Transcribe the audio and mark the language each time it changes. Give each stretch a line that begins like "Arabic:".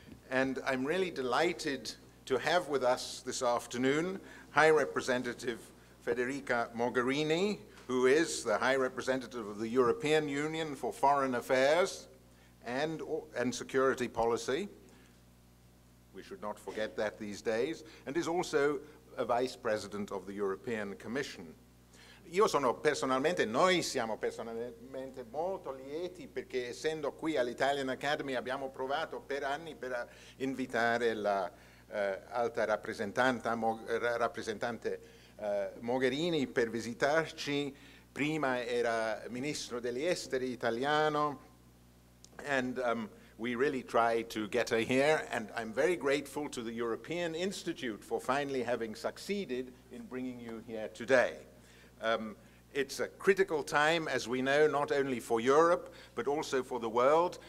English: And I'm really delighted to have with us this afternoon High Representative Federica Mogherini, who is the High Representative of the European Union for Foreign Affairs and Security Policy. We should not forget that these days, and is also a Vice President of the European Commission.
Italian: Io sono personalmente, noi siamo personalmente molto lieti perché essendo qui all'Italian Academy abbiamo provato per anni per invitare la alta rappresentante Mogherini per visitarci. Prima era ministro degli esteri italiano,
English: and we really tried to get her here, and I'm very grateful to the European Institute for finally having succeeded in bringing you here today. It's a critical time, as we know, not only for Europe, but also for the world.